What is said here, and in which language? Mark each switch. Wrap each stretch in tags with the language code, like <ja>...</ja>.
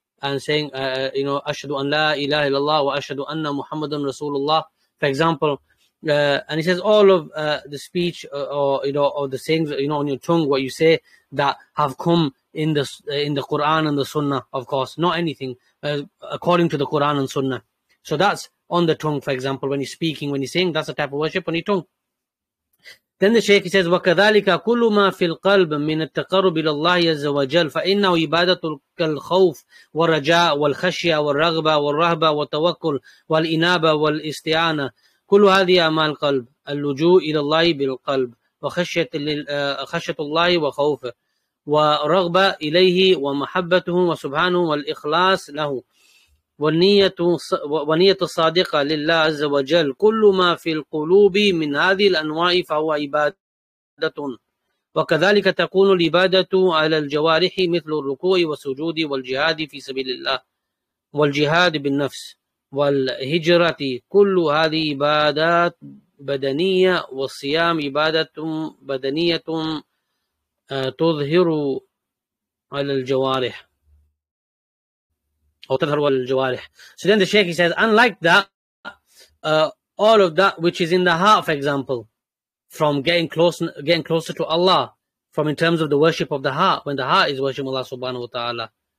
<en>and saying, you know,</en> <ar>أَشْهَدُ أَنْ لَا إِلَهَ إِلَّا وَأَشْهَدُ أَنَّ مُحَمَّدٌ رَسُولُ اللَّهِ,</ar> <en>for example, and he says all of the speech or, you know, or the sayings, you know, on your tongue, what you say, that have come in the Quran and the Sunnah, of course, not anything according to the Quran and Sunnah. So that's on the tongue, for example, when you're speaking, when you're saying, that's a type of worship on your tongue. Then the Shaykh, he says,</en> <ar>وَكَذَلِكَ كُلُّ مَا فِي الْقَلْبِ مِنَ التَّقَرُّبِ لِلَّهِ عَزَّ وَجَلَّ فَإِنَّهُ عِبَادَةُ الْخَوْفِ وَالرَّجَاءِ وَالْخَشْيَةِ وَالرَّغْبَةِ وَالرَّهْبَةِ وَالتَّوَكُّلِ وَالْإِنَابَةِ وَالْإِسْتِعَانَةِ كُلُّ هَذِهِ أَعْمَالِ الْقَلْبِ اللُّجُوءُ إِلَى اللَّهِ بِالْقَلْبِ وَخَشْيَةُ اللَّهِ وَخَوْفُهُ وَرَغْبَةُ إِلَيْهِ وَمَحَبَّتُهُ وَسُبْحَانَهُ وَالْإِخْلَاصُ لَهُ ونية الصادقة لله عز وجل كل ما في القلوب من هذه الأنواع فهو عبادة وكذلك تكون العبادة على الجوارح مثل الركوع والسجود والجهاد في سبيل الله والجهاد بالنفس والهجرة كل هذه عبادات بدنية والصيام عبادة بدنية تظهر على الجوارح.</ar> <en>So then the Shaykh, he says, unlike that, all of that which is in the heart, for example, from getting closer to Allah, from in terms of the worship of the heart, when the heart is worshiping Allah subhanahu wa ta'ala.</en>